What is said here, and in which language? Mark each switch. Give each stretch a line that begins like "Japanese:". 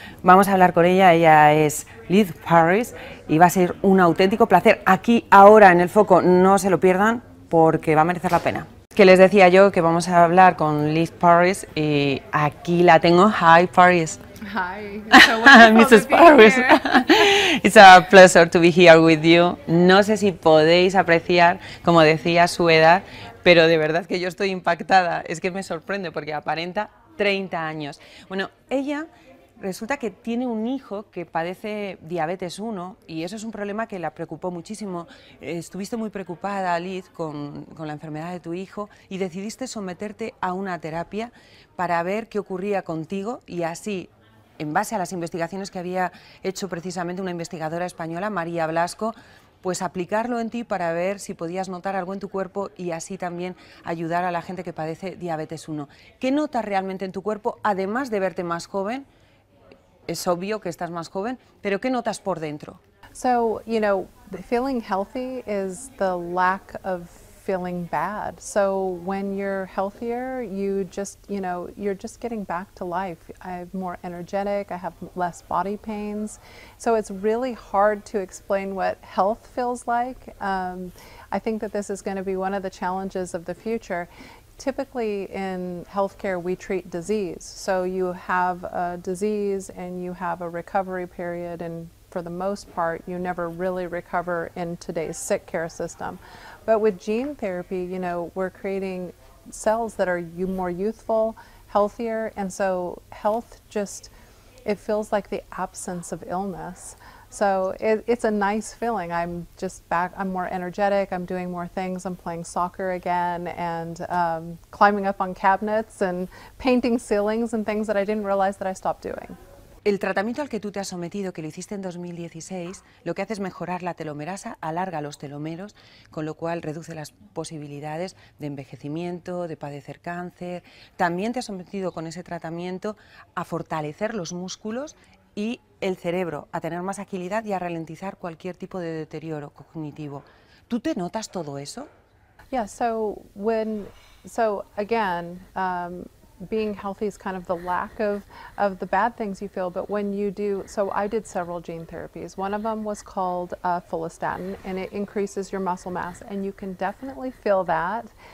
Spanish: Vamos a hablar con ella, ella es Liz Parrish y va a ser un auténtico placer aquí ahora en El Foco. No se lo pierdan porque va a merecer la pena. Que les decía yo que vamos a hablar con Liz Parrish y aquí la tengo.
English: Hi, Parrish. Hi, it's a Mrs. Parrish. It's a pleasure to be here with you.
Spanish: No sé si podéis apreciar, como decía, su edad, pero de verdad que yo estoy impactada. Es que me sorprende porque aparenta 30 años. Bueno, ella resulta que tiene un hijo que padece diabetes 1 y eso es un problema que la preocupó muchísimo. Estuviste muy preocupada, Liz, con la enfermedad de tu hijo y decidiste someterte a una terapia para ver qué ocurría contigo y así, en base a las investigaciones que había hecho precisamente una investigadora española, María Blasco, pues aplicarlo en ti para ver si podías notar algo en tu cuerpo y así también ayudar a la gente que padece diabetes 1. ¿Qué notas realmente en tu cuerpo, además de verte más joven? Es obvio que estás más joven, pero ¿qué notas por dentro?
English: So, you know, feeling healthy is the lack of feeling bad. So when you're healthier, you just, you know, you're just getting back to life. I'm more energetic, I have less body pains. So it's really hard to explain what health feels like. I think that this is going to be one of the challenges of the future. Typically in healthcare, we treat disease. So you have a disease and you have a recovery period, and for the most part, you never really recover in today's sick care system. But with gene therapy, you know, we're creating cells that are more youthful, healthier, and so health just, it feels like the absence of illness. So it's a nice feeling. I'm just back, I'm more energetic, I'm doing more things, I'm playing soccer again, and climbing up on cabinets and painting ceilings and things that I didn't realize that I stopped doing.
Spanish: El tratamiento al que tú te has sometido, que lo hiciste en 2016, lo que hace es mejorar la telomerasa, alarga los telómeros, con lo cual reduce las posibilidades de envejecimiento, de padecer cáncer. También te has sometido con ese tratamiento a fortalecer los músculos y el cerebro, a tener más agilidad y a ralentizar cualquier tipo de deterioro cognitivo. ¿Tú te notas todo eso?
English: Yeah, so when, so again, being healthy is kind of the lack of the bad things you feel, but when you do, so I did several gene therapies. One of them was called follistatin, and it increases your muscle mass, and you can definitely feel that.